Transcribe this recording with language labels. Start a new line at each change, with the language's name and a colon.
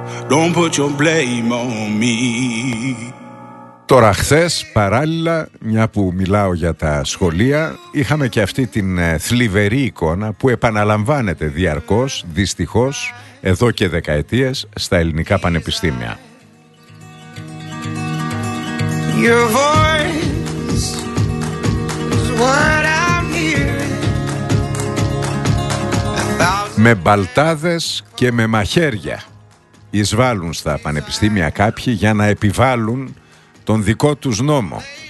English: Don't put your blame on me.
Greek: Τώρα χθες, παράλληλα, μια που μιλάω για τα σχολεία, είχαμε και αυτή την θλιβερή εικόνα που επαναλαμβάνεται διαρκώς, δυστυχώς, εδώ και δεκαετίες στα ελληνικά πανεπιστήμια.
English: Your voice is what I'm hearing.
Greek: Με μπαλτάδες και με μαχαίρια εισβάλλουν στα πανεπιστήμια κάποιοι για να επιβάλλουν τον δικό τους νόμο.